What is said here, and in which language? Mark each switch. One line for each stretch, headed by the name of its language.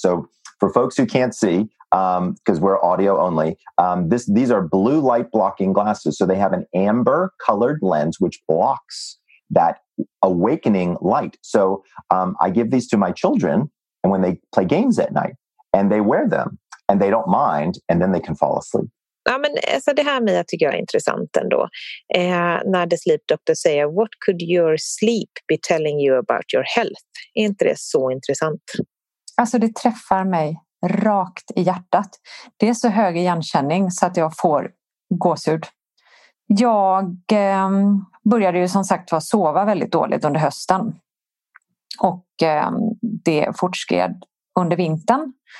English: So for folks who can't see, because we're audio only, these are blue light blocking glasses. So they have an amber colored lens, which blocks that awakening light. So I give these to my children and when they play games at night and they wear them and they don't mind and then they can fall asleep.
Swedish: Ja, men så det här Mia tycker jag är intressant ändå. När the sleep doctor säger,
English: what could your sleep be telling you about your health?
Swedish: Är inte det så intressant? Alltså det träffar mig rakt i hjärtat. Det är så hög igenkänning så att jag får gåshud. Jag började ju som sagt vara sova väldigt dåligt under hösten. Och det fortskred under vintern.